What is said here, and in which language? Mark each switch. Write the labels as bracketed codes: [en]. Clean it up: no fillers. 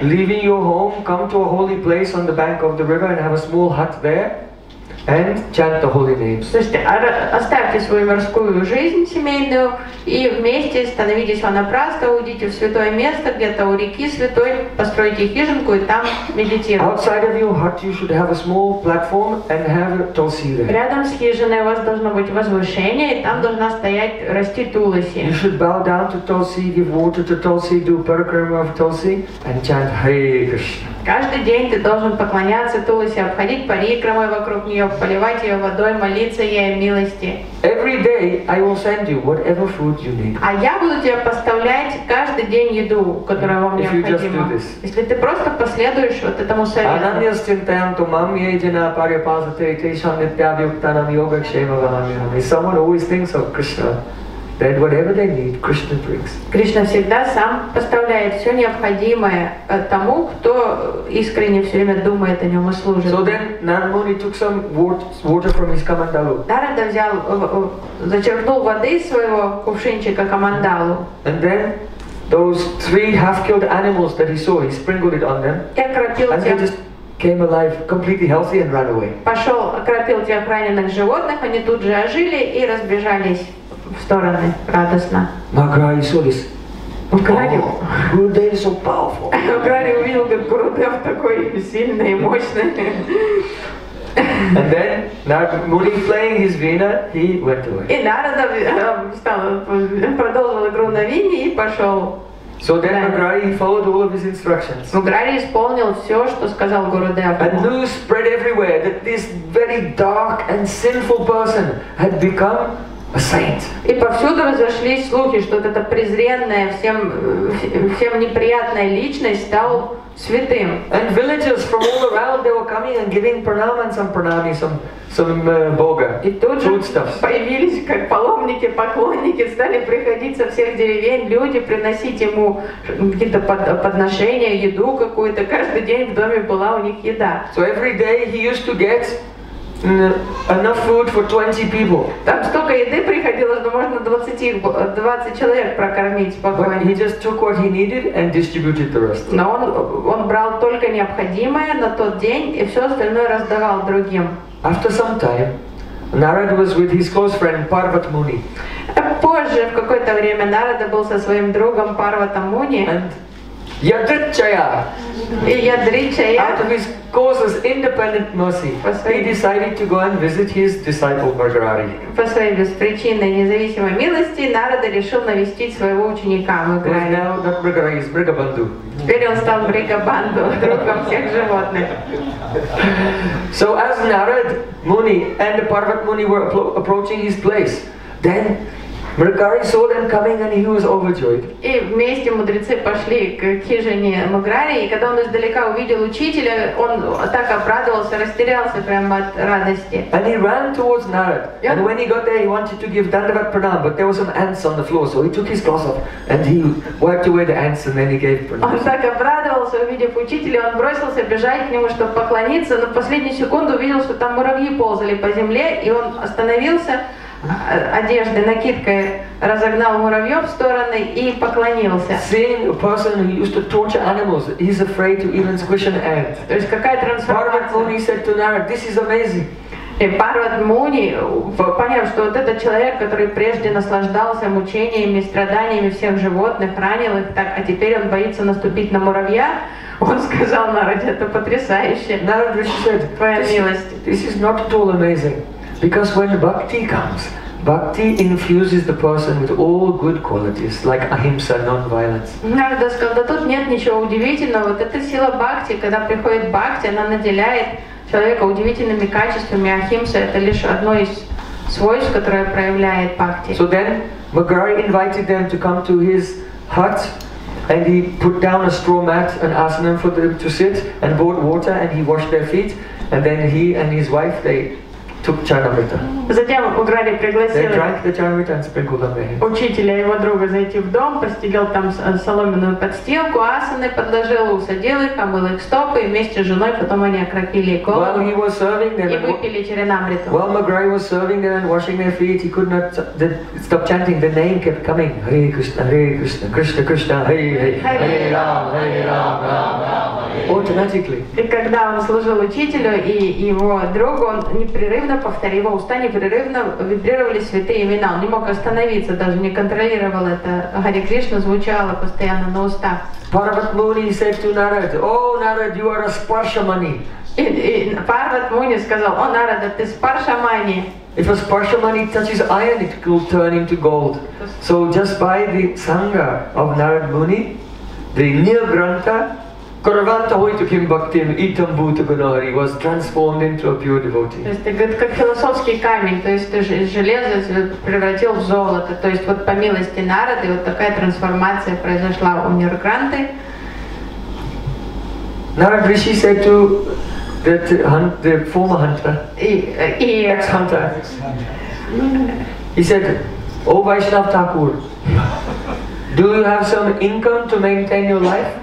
[en] Leaving your home, come to a holy place on the bank of the river and have a small hut there. And chant the holy names. [ru] Слушайте, оставьте свою мирскую жизнь семейную и вместе становитесь ванапраста, уйдите в святое место где-то у реки святой, постройте хижинку и там медитируйте. [en] Outside of your hut you should have a small platform and have tulsi there. [ru] Рядом с хижиной у вас должно быть возвышение и там должна стоять расти туласи. [en] You should bow down to tulsi, give water to tulsi, do parikrama of tulsi and chant Hare Krishna. [ru] Каждый день ты должен поклоняться туласи, обходить парикрамой вокруг нее, поливать ее водой, молиться ей милости. [en] Every day I will send you whatever food you need. [ru] А я буду тебе поставлять каждый день еду, которая вам необходима. Если ты просто последуешь вот этому совету. [sa] Ананья стинтэнту мам ейджина парипазате кришан нитьяд юктанам йога кшема ванамирам. [en] If someone always thinks of Krishna, then whatever they need, Krishna brings. [ru] Кришна всегда сам поставляет все необходимое тому, кто искренне все время думает о нем и служит. [en] So then Narmuni took some water from his kamandalu. [ru] Нарада взял, зачерпнул воды из своего кувшинчика камандалу. [en] And then those three half-killed animals that he saw, he sprinkled it on them. Came alive, completely healthy, and ran away. [ru] Пошел, окропил тех раненых животных, они тут же ожили и разбежались. В стороны радостно. [en] Макрари saw this. Макрари. Гурудев so powerful. [ru] Макрари увидел, как Гурудев такой сильный и мощный. [en] And then, Narmuni playing his veena, he went away. [ru] И Нарада продолжил игру на вине и пошел. [en] So then Макрари followed all of his instructions. [ru] Макрари исполнил все, что сказал Гурудев. [en] And news spread everywhere that this very dark and sinful person had become a saint. [ru] И повсюду разошлись слухи, что эта презренная, всем неприятная личность стала святым. [en] And villagers from all around they were coming and giving pranam and some pranami, some boga. [ru] И тут же появились как паломники, поклонники, стали приходить со всех деревень люди, приносить ему какие-то подношения, еду какую-то. Каждый день в доме была у них еда. [en] So every day he used to get enough food for 20 people. [ru] Там столько еды приходило, что можно 20 человек прокормить спокойно. [en] But he just took what he needed and distributed the rest. [ru] Но он брал только необходимое на тот день и все остальное раздавал другим. [en] After some time, Narada was with his close friend Parvat Muni. [ru] Позже в какое-то время Нарада был со своим другом Парватом Муни. [sa] Ядричая. И Ядричая. [en] Out of his causes, independent mercy, he decided to go and visit his disciple Маграри. [ru] По своей беспричинной независимой милости Нарада решил навестить своего ученика Маграри. [en] Who is now Маграри's Бригабанду. [ru] Теперь он стал Бригабанду, другом всех животных. [en] So as Narada Muni and Parvat Muni were approaching his place, then Маграри saw them coming and he was overjoyed. [ru] И вместе мудрецы пошли к хижине Маграри, и когда он издалека увидел учителя, он так обрадовался, растерялся прямо от радости. [en] And he ran towards Narada. Yep. And when he got there, he wanted to give dandavat pranam, but there were some ants on the floor, so he took his cloth off and he wiped away the ants and then he gave pranam. [ru] Он так обрадовался, увидев учителя, он бросился бежать к нему, чтобы поклониться, но в последнюю секунду увидел, что там муравьи ползали по земле, и он остановился. Одежды, накидкой разогнал муравьев в стороны и поклонился. [en] Seeing a person who used to torture animals, he's afraid to even squish an ant. [ru] То есть какая трансформация? [en] Parvat Muni said to Narada, "This is amazing." [ru] И Парват Муни понял, что вот этот человек, который прежде наслаждался мучениями, страданиями всех животных, ранил их так, а теперь он боится наступить на муравья. Он сказал Нараде, это потрясающе. [en] Narada said, [ru] "Твоя милость." [en] This is not at all amazing. Because when bhakti comes, bhakti infuses the person with all good qualities, like ahimsa, non-violence. [ru] Нарада сказал, да тут нет ничего удивительного. Вот эта сила бхакти, когда приходит бхакти, она наделяет человека удивительными качествами. Ахимса – это лишь одно из свойств, которое проявляет бхакти. [en] So then, Маграри invited them to come to his hut, and he put down a straw mat and asked them for them to sit, and brought water, and he washed their feet, and then he and his wife, they took Charamrita. [ru] Затем украли, пригласили. [en] They drank the Charamrita and sprinkled on him. [ru] Учителя его друга зайти в дом, постелил там соломенную подстилку, асаны подложил, усадил их, омыл их стопы, и вместе с женой потом они окропили голову. [en] While he was serving them, [ru] и выпили Чаринамриту. [en] While McGrory was serving them and washing their feet, he could not stop chanting. The name kept coming. [sa] Hare Krishna, Hare Krishna, Krishna Krishna, Hare Hare, Hare Ram, Hare Ram, Ram Ram. [en] Automatically. [ru] И когда он служил учителю и его другу, он непрерывно повторил, его уста непрерывно вибрировали святые имена. Он не мог остановиться, даже не контролировал это. Харе Кришна звучало постоянно на устах. [en] Парват Муни said to Narad, "Oh Narad, you are a Sparshamani." [ru] И Парват Муни сказал: "О Нарада, ты Спаршамани." [en] If a Sparshamani touches iron, it will turn into gold. So just by the sangha of Narad Muni, the [sa] Nirgrantha Karavanta Hoitukim Bhaktim Itam Bhuta Gunari [en] was transformed into a pure devotee. [ru] То есть это как философский камень, то есть из железа превратил в золото. То есть вот по милости Нарады вот такая трансформация произошла у Нирганты. [en] Narad Rishi said to that the former hunter, ex-hunter, he said, "O Vaishnav Thakur, do you have some income to maintain your life?"